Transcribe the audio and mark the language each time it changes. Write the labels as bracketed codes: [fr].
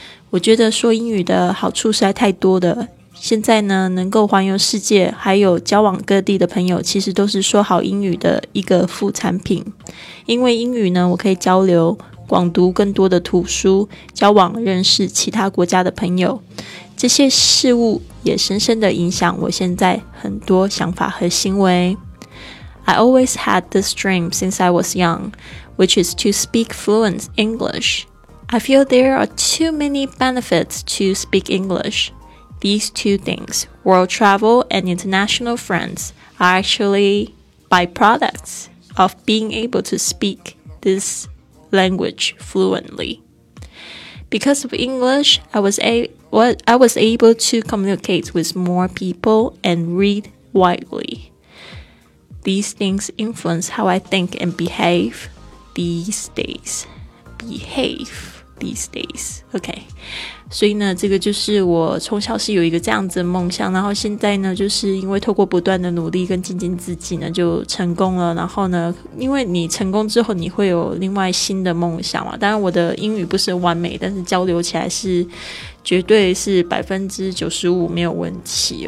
[zh] 我觉得说英语的好处实在太多的，现在呢能够环游世界还有交往各地的朋友，其实都是说好英语的一个副产品。因为英语呢我可以交流广读更多的图书，交往认识其他国家的朋友，这些事物也深深的影响我现在很多想法和行为。 [en] I always had this dream since I was young, which is to speak fluent English. I feel there are too many benefits to speak English. These two things, world travel and international friends, are actually byproducts of being able to speak this language fluently. Because of English, I was able to communicate with more people and read widely. These things influence how I think and behave these days. Behave these days. Okay. [zh] 所以呢，这个就是我从小是有一个这样子的梦想，然后现在呢，就是因为透过不断的努力跟精进自己呢，就成功了。然后呢，因为你成功之后，你会有另外新的梦想嘛。当然我的英语不是完美，但是交流起来是绝对是 95% 没有问题。